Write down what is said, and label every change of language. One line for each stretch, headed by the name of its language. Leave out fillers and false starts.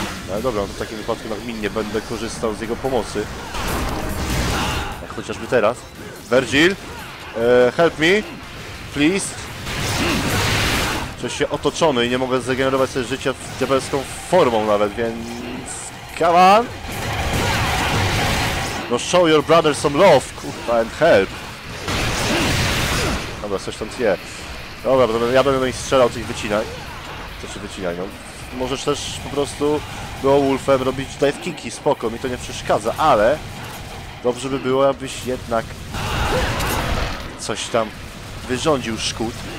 Polish: No dobra, to w takim wypadku nagminnie będę korzystał z jego pomocy. Jak chociażby teraz. Vergil, help me, please. Czuję się otoczony i nie mogę zregenerować sobie życia w diabelską formą nawet, więc...
English: Come on! No show your brother some love, kurwa, and help.
Polish: Dobra, coś tam tje. Dobra, ja będę do nich strzelał, coś wycinaj. Coś wycinaj, no. Możesz też po prostu Beowulfem robić dive kicki, spoko, mi to nie przeszkadza, ale dobrze by było, abyś jednak coś tam wyrządził szkód.